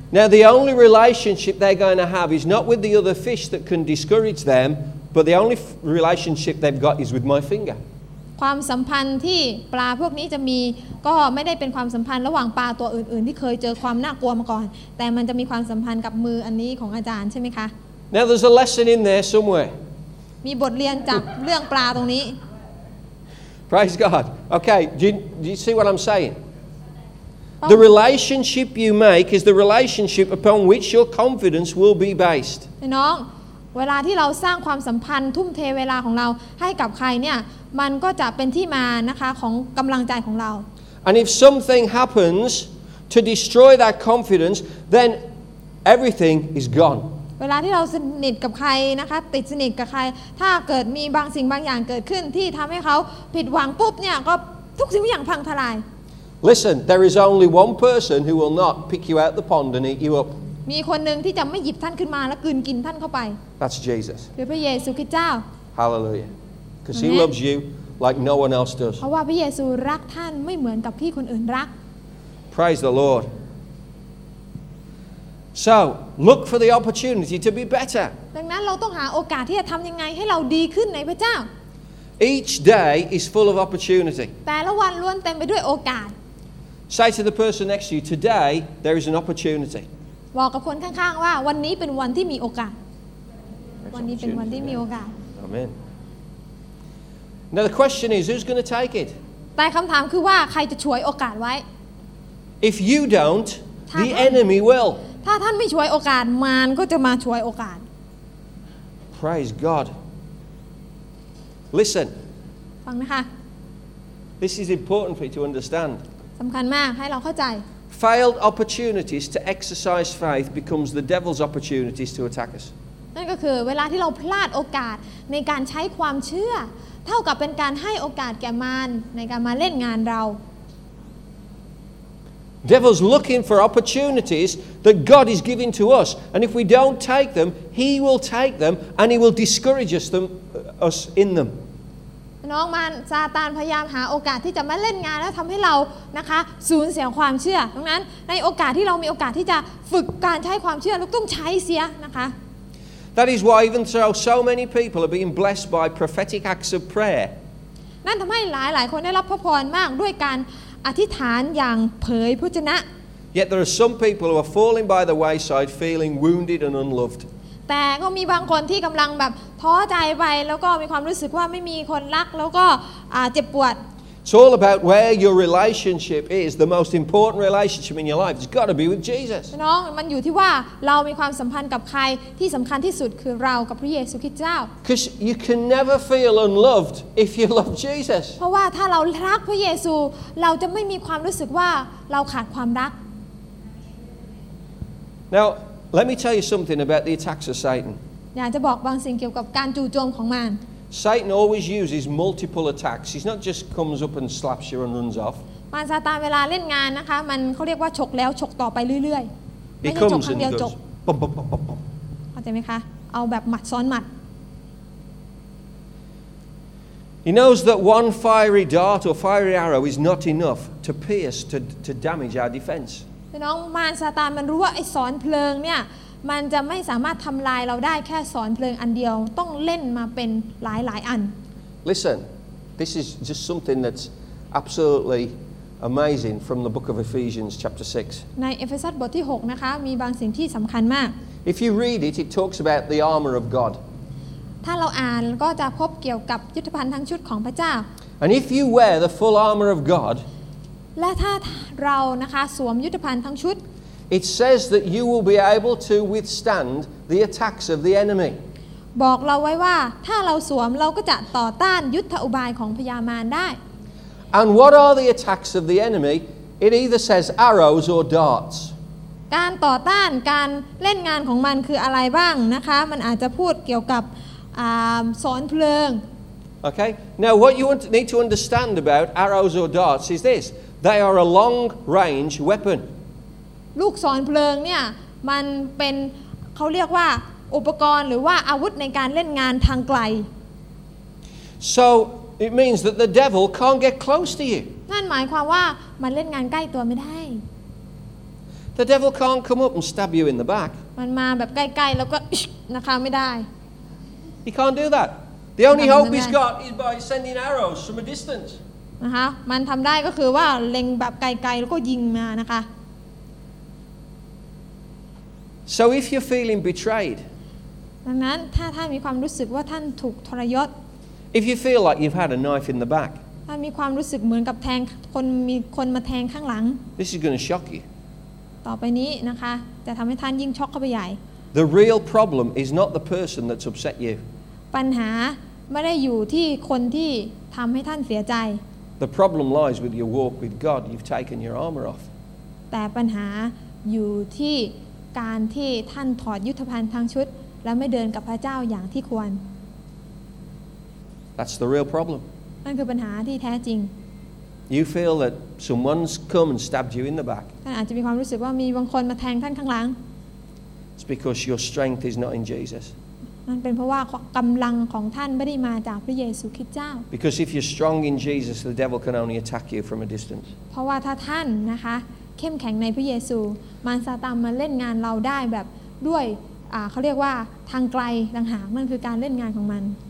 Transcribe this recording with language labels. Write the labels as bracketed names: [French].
[English] Now the only relationship they're going to have is not with the other fish that can discourage them, but the only relationship they've got is with my finger. [Thai] ความสัมพันธ์ที่ปลาพวกนี้จะมีก็ไม่ได้เป็นความสัมพันธ์ระหว่างปลาตัวอื่นๆที่เคยเจอความน่ากลัวมาก่อนแต่มันจะมีความสัมพันธ์กับมืออันนี้ของอาจารย์ใช่ไหมคะ [English] Now there's a lesson in there somewhere. [Thai] มีบทเรียนจากเรื่องปลาตรงนี้ [English] Praise God. Okay, do you see what I'm saying? The relationship you make is the relationship upon which your confidence will be based. [Thai] น้องเวลาที่เราสร้างความสัมพันธ์ทุ่มเทเวลาของเราให้กับใครเนี่ยมันก็จะเป็นที่มานะคะของกำลังใจของเรา [English] And if something happens to destroy that confidence, then everything is gone. [Thai] เวลาที่เราสนิทกับใครนะคะติดสนิทกับใครถ้าเกิดมีบางสิ่งบางอย่างเกิดขึ้นที่ทำให้เขาผิดหวังปุ๊บเนี่ยก็ทุกสิ่งทุกอย่างพังทลาย [English] Listen there is only one person who will not pick you out the pond and eat you up [Thai] มีคนหนึ่งที่จะไม่หยิบท่านขึ้นมาแล้วกืนกินท่านเข้าไป [English] That's Jesus [Thai] คือพระเยซูคริสต์เจ้า [English] Hallelujah because he loves you like no one else does [Thai] เพราะว่าพระเยซูรักท่านไม่เหมือนกับที่คนอื่นรัก [English] Praise the LordSo look for the opportunity to be better. [Thai] ดังนั้นเราต้องหาโอกาสที่จะทำยังไงให้เราดีขึ้นในพระเจ้า [English] Each day is full of opportunity. [Thai] แต่ละวันล้วนเต็มไปด้วยโอกาส [English] Say to the person next to you, today there is an opportunity. [Thai] บอกกับคนข้างๆว่าวันนี้เป็นวันที่มีโอกาสวันนี้เป็นวันที่มีโอกาส [English] Amen. Now the question is, who's going to take it? [Thai] แต่คำถามคือว่าใครจะฉวยโอกาสไว้ [English] If you don't, the enemy will. [Thai] ถ้าท่านไม่ฉวยโอกาสมารก็จะมาฉวยโอกาส [English] Praise God Listen [Thai] ฟังนะคะ [English] This is important for you to understand [Thai] สำคัญมากให้เราเข้าใจ [English] Failed opportunities to exercise faith becomes the devil's opportunities to attack us [Thai] นั่นก็คือเวลาที่เราพลาดโอกาสในการใช้ความเชื่อเท่ากับเป็นการให้โอกาสแก่มารในการมาเล่นงานเรา [English] Devil's looking for opportunities that God is giving to us, and if we don't take them, he will take them, and he will discourage us in them. [Thai] น้องมารซาตานพยายามหาโอกาสที่จะมาเล่นงานแล้วทำให้เรานะคะสูญเสียความเชื่อดังนั้นในโอกาสที่เรามีโอกาสที่จะฝึกการใช้ความเชื่อเราต้องใช้เสียนะคะ [English] That is why even so many people are being blessed by prophetic acts of prayer. [Thai] นั่นทำให้หลายๆคนได้รับพระพรมากด้วยการอธิษฐานอย่างเผยพระชนะ [English] Yet there are some people who are falling by the wayside feeling wounded and unloved [Thai] แต่ก็มีบางคนที่กำลังแบบท้อใจไปแล้วก็มีความรู้สึกว่าไม่มีคนรักแล้วก็เจ็บปวด [English] It's all about where your relationship is the most important relationship in your life it's got to be with Jesus [Thai] น้องมันอยู่ที่ว่าเรามีความสัมพันธ์กับใครที่สำคัญที่สุดคือเรากับพระเยซูคริสต์เจ้า [English] Because you can never feel unloved if you love Jesus [Thai] เพราะว่าถ้าเรารักพระเยซูเราจะไม่มีความรู้สึกว่าเราขาดความรัก [English] Now let me tell you something about the attacks of Satan [Thai] อยากจะบอกบางสิ่งเกี่ยวกับการจู่โจมของมาร [English] Satan always uses multiple attacks. He's not just comes up and slaps you and runs off. [Thai] มารซาตานเวลาเล่นงานนะคะมันเขาเรียกว่าฉกแล้วฉกต่อไปเรื่อย ๆไม่ใช่ฉกครั้งเดียวจบ เข้าใจไหมคะเอาแบบหมัดซ้อนหมัด [English] He knows that one fiery dart or fiery arrow is not enough to pierce to damage our defense. [Thai] น้องมารซาตานมันรู้ว่าไอ้ซ้อนเพลิงเนี่ยมันจะไม่สามารถทำลายเราได้แค่สอนเพลิงอันเดียวต้องเล่นมาเป็นหลายๆอัน [English] Listen this is just something that's absolutely amazing from the book of Ephesians chapter 6 [Thai] ในเอเฟซัสบทที่6นะคะมีบางสิ่งที่สำคัญมาก [English] If you read it it talks about the armor of God [Thai] ถ้าเราอ่านก็จะพบเกี่ยวกับยุทธภัณฑ์ทั้งชุดของพระเจ้า [English] And if you wear the full armor of God [Thai] และถ้าเรานะคะสวมยุทธภัณฑ์ทั้งชุด [English] It says that you will be able to withstand the attacks of the enemy. [Thai] บอกเราไว้ว่าถ้าเราสวมเราก็จะต่อต้านยุทธอุบายของพยามารได้ [English] And what are the attacks of the enemy? It either says arrows or darts. [Thai] การต่อต้านการเล่นงานของมันคืออะไรบ้างนะคะมันอาจจะพูดเกี่ยวกับสอนเพลิง [English] Okay. Now what you need to understand about arrows or darts is this. They are a long range weapon. [Thai] ลูกศรเพลิงเนี่ยมันเป็นเขาเรียกว่าอุปกรณ์หรือว่าอาวุธในการเล่นงานทางไกล [English] So it means that the devil can't get close to you [Thai] นั่นหมายความว่ามันเล่นงานใกล้ตัวไม่ได้ [English] The devil can't come up and stab you in the back [Thai] มันมาแบบใกล้ๆแล้วก็นะคะไม่ได้ [English] He can't do that The only hope he's got is by sending arrows from a distance [Thai] นะคะมันทำได้ก็คือว่าเล็งแบบไกลๆแล้วก็ยิงมานะคะ [English] So if you're feeling betrayed, [Thai] ดังนั้นถ้าท่านมีความรู้สึกว่าท่านถูกทรยศ [English] if you feel like you've had a knife in the back, [Thai] ท่านมีความรู้สึกเหมือนกับแทงคนมีคนมาแทงข้างหลัง [English] this is going to shock you. [Thai] ต่อไปนี้นะคะจะทำให้ท่านยิ่งช็อกเข้าไปใหญ่ [English] The real problem is not the person that's upset you. [Thai] ปัญหาไม่ได้อยู่ที่คนที่ทำให้ท่านเสียใจ [English] The problem lies with your walk with God. You've taken your armor off. [Thai] แต่ปัญหาอยู่ที่การที่ท่านถอดยุทธภัณฑ์ทางชุดและไม่เดินกับพระเจ้าอย่างที่ควร [English] That's the real problem [Thai] นั่นคือปัญหาที่แท้จริง [English] You feel that someone's come and stabbed you in the back [Thai] ท่านอาจจะมีความรู้สึกว่ามีบางคนมาแทงท่านข้างหลัง [English] It's because your strength is not in Jesus [Thai] นั่นเป็นเพราะว่ากำลังของท่านไม่ได้มาจากพระเยซูคริสต์เจ้า [English] Because if you're strong in Jesus the devil can only attack you from a distance [Thai] เพราะว่าถ้าท่านนะคะเข้มแข็งในพระเยซูมารซาตานมาเล่นงานเราได้แบบด้วยเขาเรียกว่าทางไกลต่างหากมันคือการเล่นงานของมัน